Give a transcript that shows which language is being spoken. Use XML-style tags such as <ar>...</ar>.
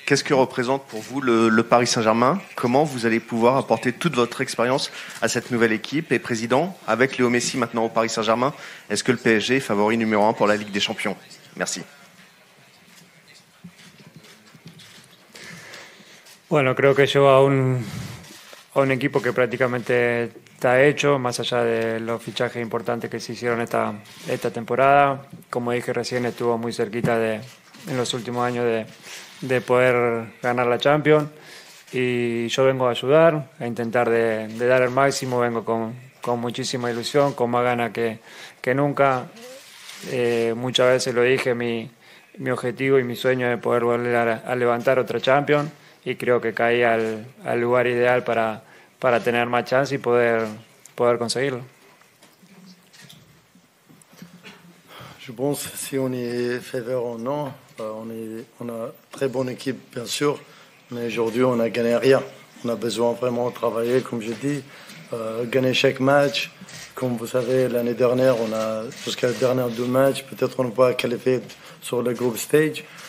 <fr>Qu'est-ce que représente pour vous le Paris Saint-Germain? Comment vous allez pouvoir apporter toute votre expérience à cette nouvelle équipe? Et président, avec Léo Messi maintenant au Paris Saint-Germain, est-ce que le PSG est favori numéro 1 pour la Ligue des Champions? Merci.</fr> <es>Bueno, creo que llevo a un equipo que prácticamente está hecho, más allá de los fichajes importantes que se hicieron esta temporada. Como dije recién, estuvo muy cerquita en los últimos años de poder ganar la Champions. Y yo vengo a ayudar, a intentar de dar el máximo. Vengo con muchísima ilusión, con más ganas que nunca. Muchas veces lo dije, mi objetivo y mi sueño es poder volver a levantar otra Champions. Y creo que caí al lugar ideal para tener más chance y poder conseguirlo.</es> <fr>Je pense si on est favori ou non, on a très bonne équipe bien sûr, mais aujourd'hui on a gagné rien. On a besoin vraiment de travailler, comme je dis, gagner chaque match. Comme vous savez, l'année dernière on a jusqu'à la dernière 2 matchs, peut-être on ne peut pas qualifier sur le group stage.</fr>